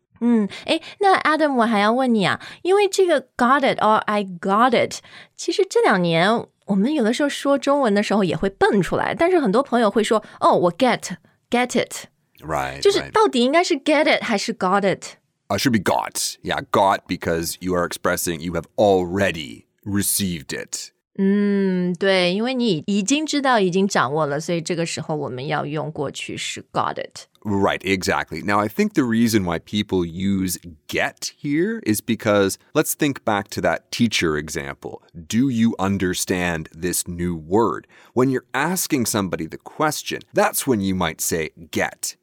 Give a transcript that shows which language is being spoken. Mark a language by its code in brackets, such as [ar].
[zh] 嗯，诶，那 Adam 我还要问你啊，因为这个 got it or I got it， 其实这两年我们有的时候说中文的时候也会蹦出来，但是很多朋友会说哦，我 get it. [en] Right. [zh] 就是到底应该是 get it 还是 got it? [en] Should be got. Yeah, got because you are expressing you have already received it. [zh] 对，因为你已经知道，已经掌握了，所以这个时候我们要用过去式 got it. [en] Right, exactly. Now, I think the reason why people use get here is because, let's think back to that teacher example. Do you understand this new word? When you're asking somebody the question, that's when you might say get.